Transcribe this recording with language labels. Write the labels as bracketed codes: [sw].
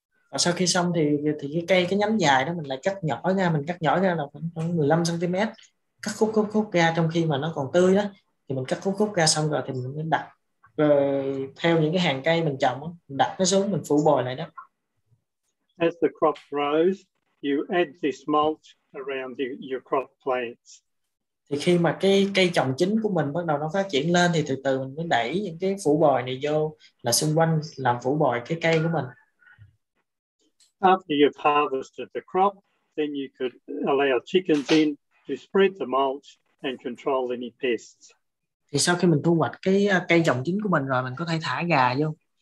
[vi] Và sau khi xong thì cái cây, cái nhánh dài đó mình lại cắt nhỏ ra, mình cắt nhỏ ra là khoảng 15 cm. Cắt khúc ra trong khi mà nó còn tươi đó, thì mình cắt khúc ra xong rồi thì mình đặt theo những cái hàng cây mình trồng đó, mình đặt nó xuống mình phủ bồi lại đó. [en] As the crop grows, you add this mulch around your crop plants. [vi] Thì khi mà cái cây trồng chính của mình bắt đầu nó phát triển lên thì từ từ mình mới đẩy những cái phủ bồi này vô là xung quanh làm phủ bồi cái cây của mình. [en] After you've harvested the crop, then you could allow chickens in to spread the mulch and control any pests. [vi] Thì sau khi mình thu hoạch cái cây trồng chính của mình rồi, mình có thể thả gà vô.